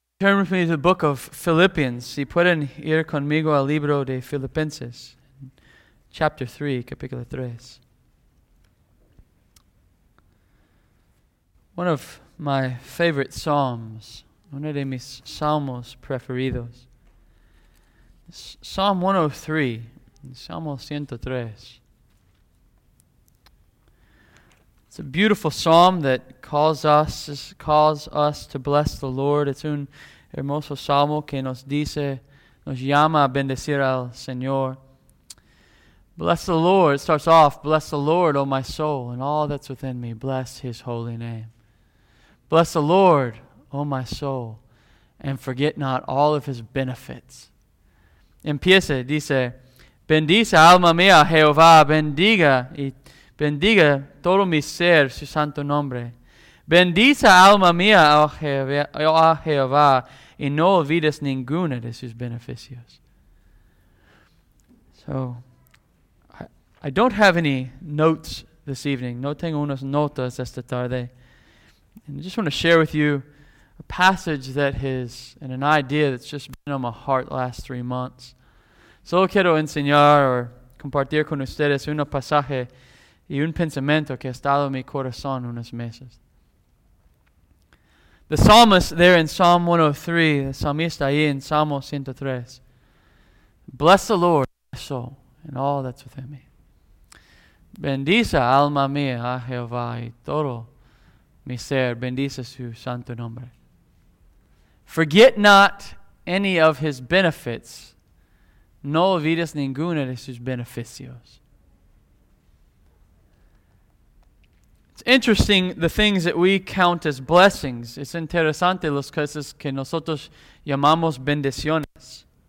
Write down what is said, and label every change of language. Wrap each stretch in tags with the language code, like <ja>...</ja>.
<en>Turn with me to the book of Philippians.</en> <es>Si pueden ir conmigo al libro de Filipenses,</es> <en>chapter 3,</en> <es>capítulo 3.</es> <en>One of my favorite psalms,</en> <es>uno de mis salmos preferidos.</es> <en>Psalm 103, Salmo 103. It's a beautiful psalm that calls us to bless the Lord.</en> <es>It's un hermoso salmo que nos dice, nos llama a bendecir al Señor.</es> <en>Bless the Lord. It starts off, bless the Lord, O my soul, and all that's within me. Bless his holy name. Bless the Lord, O my soul, and forget not all of his benefits.</en> <es>Empieza, dice, bendice alma mía, Jehová, bendiga y bendiga todo mi ser, su santo nombre. Bendice alma mía, oh Jehová, y no olvides ninguna de sus beneficios.</es> <en>So, I don't have any notes this evening.</en> <es>No tengo unas notas esta tarde.</es> <en>And I just want to share with you a passage that has, and an idea that's just been on my heart the last 3 months.</en> <es>Solo quiero enseñar o compartir con ustedes un pasaje y un pensamiento que ha estado en mi corazón unos meses.</es> <en>The psalmist there in Psalm 103, the psalmist</en> <es>ahí en Salmo 103,</es> <en>bless the Lord, my soul, and all that's within me.</en> <es>Bendice alma mía a Jehová y todo mi ser, bendice su santo nombre.</es> <en>Forget not any of his benefits.</en> <es>No olvides ninguna de sus beneficios.</es> <en>It's interesting the things that we count as blessings.</en> <es>Es interesante las cosas que nosotros llamamos bendiciones.</es>